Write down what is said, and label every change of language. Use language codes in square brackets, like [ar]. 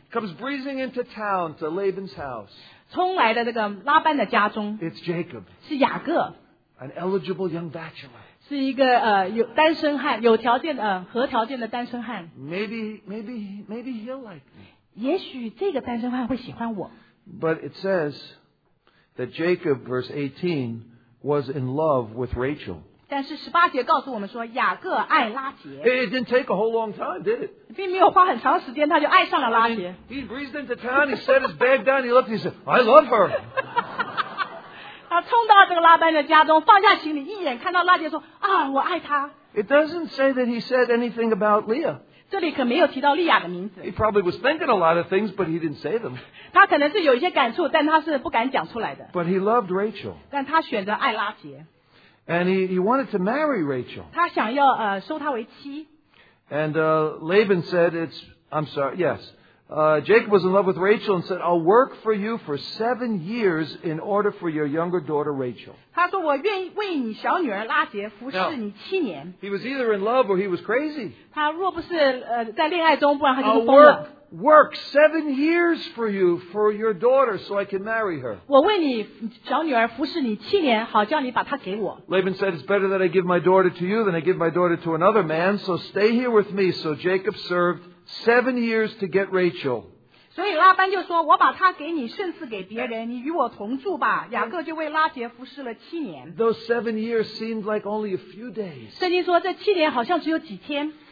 [en] Comes breezing into town to Laban's house. [zh] 冲来的这个拉班的家中。 [en] It's Jacob. [zh] 是雅各。 [en] An eligible young bachelor. [zh] 是一个单身汉,有条件的单身汉。 [en] Maybe he'll like me. [zh] 也许这个单身汉会喜欢我。 [en] But it says that Jacob, verse 18, was in love with Rachel. [zh] 但是18节告诉我们说, 雅各爱拉杰。 [en] It didn't take a whole long time, did it? [zh] 并没有花很长时间, 他就爱上了拉杰。 [en] He breezed into town, he set his bag down, he looked, he said, I love her. [zh] 他冲到这个拉班的家中, 放下行李, 一眼, 看到拉杰说, 啊, 我爱他。 [en] It doesn't say that he said anything about Leah. [zh] 这里可没有提到利亚的名字。 [en] He probably was thinking a lot of things, but he didn't say them. [zh] 他可能是有一些感触, 但他是不敢讲出来的。 [en] But he loved Rachel. [zh] 但他选择爱拉杰。 [en] And he wanted to marry Rachel. [zh] 他想要收她为妻。 [en] And Laban said, it's, I'm sorry, yes. Jacob was in love with Rachel and said, I'll work for you for 7 years in order for your younger daughter Rachel. [zh] 他说, 我愿意为你小女儿拉结服侍你七年。 [en] Now, he was either in love or he was crazy. [zh] 他若不是, 在恋爱中, 不然他就是疯了。 [en] Work 7 years for you for your daughter so I can marry her. Laban said, it's better that I give my daughter to you than I give my daughter to another man, so stay here with me. So Jacob served 7 years to get Rachel. [zh] 所以拉班就说, 我把她给你, 甚至给别人, 你与我同住吧, 雅各就为拉结服侍了七年。 [en] Those 7 years seemed like only a few days. [zh] 圣经说这七年好像只有几天。